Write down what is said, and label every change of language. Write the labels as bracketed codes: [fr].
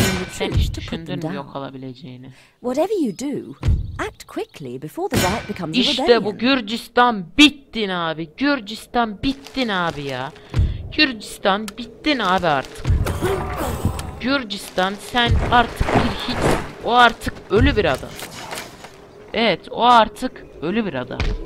[tr] Sen hiç düşündün mü yok olabileceğini? [en] Whatever you do, act quickly before the riot becomes a rebellion. [tr] İşte bu Gürcistan bittin abi. Gürcistan bittin abi ya. Gürcistan bittin abi artık. Gürcistan sen artık bir hiç... O artık ölü bir adam. Evet, o artık ölü bir adam.